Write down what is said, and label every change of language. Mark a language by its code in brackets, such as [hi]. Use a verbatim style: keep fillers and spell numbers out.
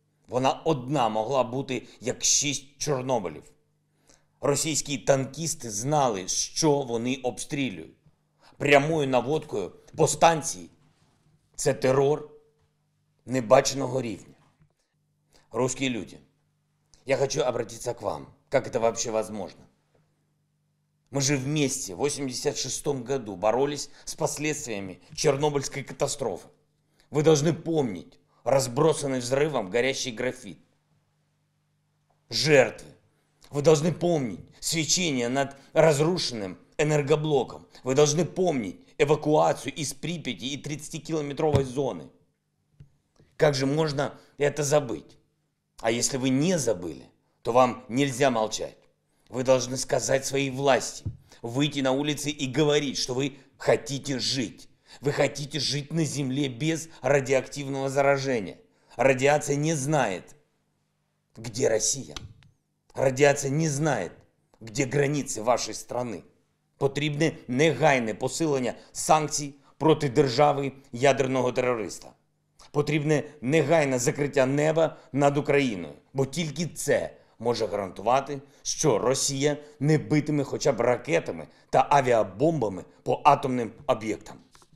[uk] Вона одна могла бути як шість Чорнобилів. Російські танкісти знали, що вони обстрілюють. Прямою наводкою по станції – це терор небаченого рівня. [ru] Русские люди, я хочу обратиться к вам. Как это вообще возможно? Мы же вместе в восемьдесят шестом году боролись с последствиями Чернобыльской катастрофы. Вы должны помнить разбросанный взрывом горящий графит. Жертвы. Вы должны помнить свечение над разрушенным энергоблоком. Вы должны помнить эвакуацию из Припяти и тридцатикилометровой зоны. Как же можно это забыть? А если вы не забыли, то вам нельзя молчать. Вы должны сказать своей власти, выйти на улицы и говорить, что вы хотите жить. Вы хотите жить на Земле без радиоактивного заражения. Радиация не знает, где Россия. [uk] Радіація не знає, де границі вашої країни. Потрібне негайне посилення санкцій проти держави ядерного терориста. Потрібне негайне закриття неба над Україною, бо тільки це може гарантувати, що Росія не битиме хоча б ракетами та авіабомбами по атомним об'єктам.